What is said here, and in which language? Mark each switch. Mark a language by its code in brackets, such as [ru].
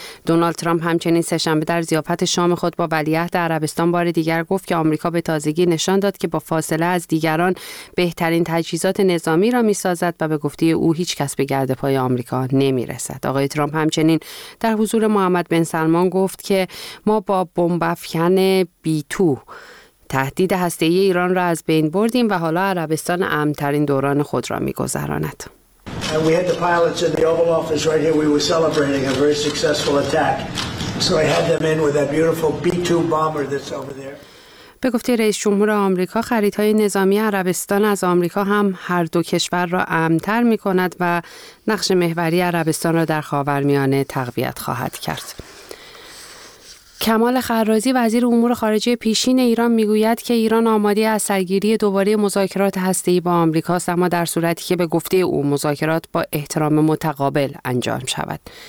[fa] دونالد ترامپ همچنین سه‌شنبه در ضیافت شام خود با ولیعهد عربستان بار دیگر گفت که آمریکا به تازگی نشان داد که با فاصله از دیگران بهترین تجهیزات نظامی را می‌سازد و به گفته او هیچ کس به گردپای آمریکا نمی‌رسد. آقای ترامپ همچنین در حضور محمد بن سلمان گفت که ما با بمب افکن B2 تهدید هسته‌ای ایران را از بین بردیم و حالا عربستان امن‌ترین دوران خود را می‌گذراند. [en] We had the pilots in the Oval Office right here. We were celebrating a very successful attack. So I had them in with that beautiful B2 bomber that's over there. [fa] به گفته رئیس جمهور آمریکا، خریدهای نظامی عربستان از آمریکا هم هر دو کشور را امن‌تر می‌کند و نقش محوری عربستان را در خاورمیانه تقویت خواهد کرد. کمال خرازی وزیر امور خارجه پیشین ایران میگوید که ایران آماده از سرگیری دوباره مذاکرات هسته‌ای با آمریکا است، اما در صورتی که به گفته او مذاکرات با احترام متقابل انجام شود.